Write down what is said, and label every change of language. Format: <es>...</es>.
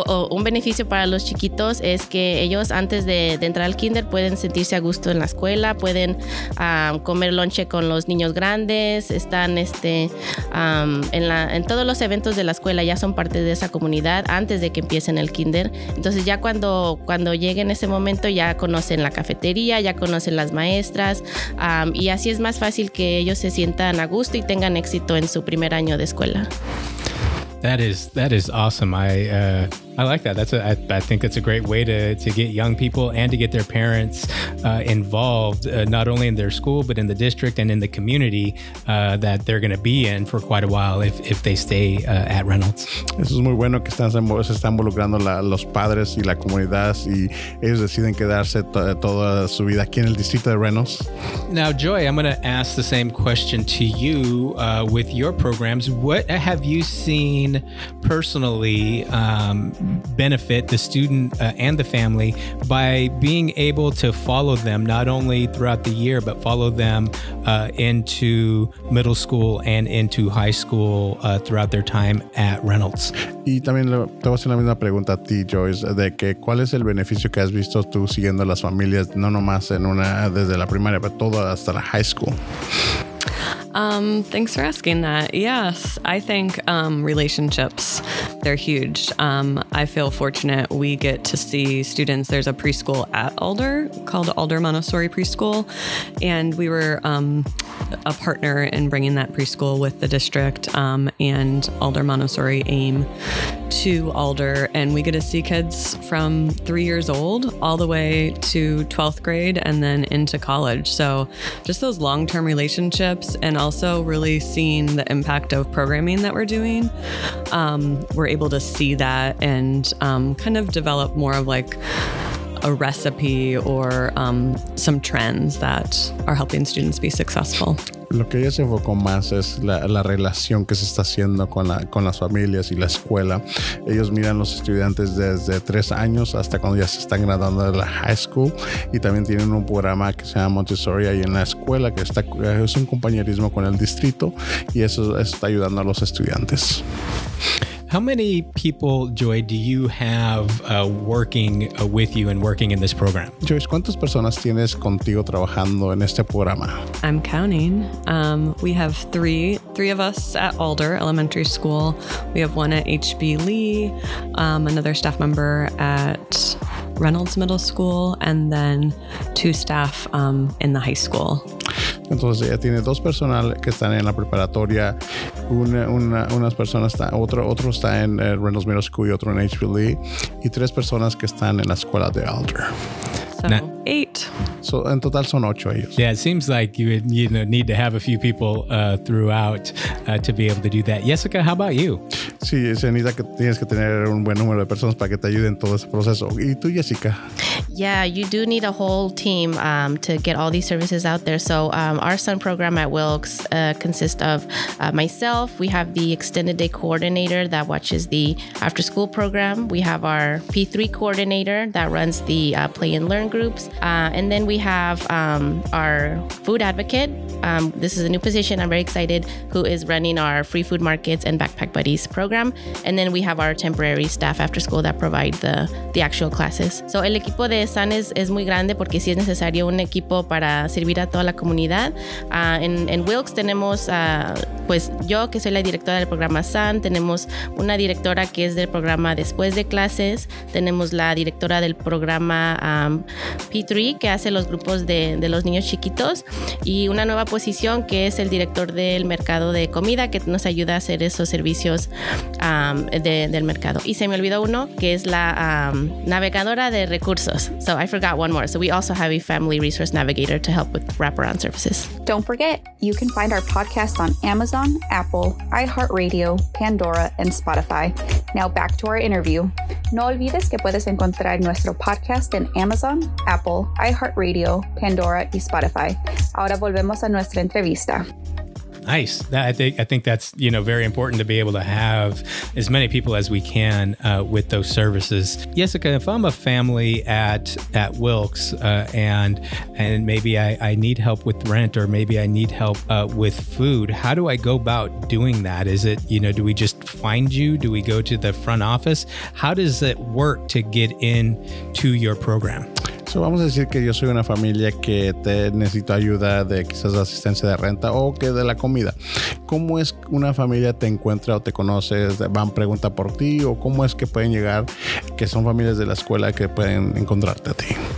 <es>Un beneficio para los chiquitos es que ellos antes de entrar al kinder pueden sentirse a gusto en la escuela, pueden comer lonche con los niños grandes, están en todos los eventos de la escuela, ya son parte de esa comunidad antes de que empiecen el kinder. Entonces ya cuando lleguen ese momento ya conocen la cafetería, ya conocen las maestras, y así es más fácil que ellos se sientan a gusto y tengan éxito en su primer año de escuela.</es> <en>That is awesome. I like that. I think that's a great way to get young people and to get their parents involved, not only in their school, but in the district and in the community that they're going to be in for quite a while if they stay at Reynolds.</en> <es>Eso es muy bueno que se están involucrando los padres y la comunidad y ellos deciden quedarse toda su vida aquí en el distrito de Reynolds.</es> <en>Now, Joy, I'm going to ask the same question to you with your programs. What have you seen personally benefit the student and the family by being able to follow them not only throughout the year but follow them into middle school and into high school throughout their time at Reynolds?</en> <es>Y también te voy a hacer la misma pregunta a ti, Joyce, de que cuál es el beneficio que has visto tú siguiendo las familias no nomás en una desde la primaria pero todo hasta la high school.</es> <en>Thanks for asking that. Yes, I think relationships, they're huge. I feel fortunate we get to see students. There's a preschool at Alder called Alder Montessori Preschool, and we were a partner in bringing that preschool with the district and Alder Montessori AIM to Alder, and we get to see kids from 3 years old all the way to 12th grade and then into college. So just those long-term relationships and also really seeing the impact of programming that we're doing, we're able to see that and kind of develop more of like a recipe or some trends that are helping students be successful.</en> <es>Lo que ella se enfocó más es la relación que se está haciendo con las familias y la escuela. Ellos miran los estudiantes desde 3 años hasta cuando ya se están graduando de la high school, y también tienen un programa que se llama Montessori ahí en la escuela, que es un compañerismo con el distrito, y eso está ayudando a los estudiantes.</es> <en>How many people, Joy, do you have working with you and working in this program?</en> <es>Joy, ¿cuántas personas tienes contigo trabajando en este programa?</es> <en>I'm counting. We have three of us at Alder Elementary School. We have one at HB Lee, another staff member at Reynolds Middle School, and then two staff in the high school.</en> <es>Entonces ella tiene dos personal que están en la preparatoria, unas personas está otro está en Reynolds Middle School y otro en HB Lee, y tres personas que están en la escuela de Alder.</es> <en>So, eight. So in total</en> <es>son ocho ellos.</es> <en>Yeah, it seems like you would, you know, need to have a few people throughout to be able to do that. Jessica, how about you?</en> <es>Sí, se necesita que tienes que tener un buen número de personas para que te ayuden todo ese proceso. ¿Y tú, Jessica?</es> <en>Yeah, you do need a whole team to get all these services out there. So our SUN program at Wilkes consists of myself. We have the extended day coordinator that watches the after school program. We have our P3 coordinator that runs the play and learn groups. And then we have our food advocate. This is a new position. I'm very excited, who is running our free food markets and Backpack Buddies program. And then we have our temporary staff after school that provide the actual classes.</en> <es>So el equipo de SUN es muy grande porque sí es necesario un equipo para servir a toda la comunidad. En Wilkes tenemos, pues yo que soy la directora del programa SUN, tenemos una directora que es del programa después de clases, tenemos la directora del programa P3 que hace los grupos de los niños chiquitos y una nueva posición que es el director del mercado de comida que nos ayuda a hacer esos servicios del mercado. Y se me olvidó uno que es la navegadora de recursos.</es> <en>So I forgot one more. So we also have a family resource navigator to help with wraparound services. Don't forget, you can find our podcast on Amazon, Apple, iHeartRadio, Pandora, and Spotify. Now back to our interview.</en> <es>No olvides que puedes encontrar nuestro podcast en Amazon, Apple, iHeartRadio, Pandora, y Spotify. Ahora volvemos a nuestra entrevista.</es> <en>Nice. I think that's, you know, very important to be able to have as many people as we can with those services. Jessica, if I'm a family at Wilkes and maybe I need help with rent or maybe I need help with food, how do I go about doing that? Is it, you know, do we just find you? Do we go to the front office? How does it work to get in to your program?</en> <es>So vamos a decir que yo soy una familia que te necesito ayuda de quizás asistencia de renta o que de la comida. ¿Cómo es una familia te encuentra o te conoce? ¿Van pregunta por ti o cómo es que pueden llegar, que son familias de la escuela que pueden encontrarte a ti?</es>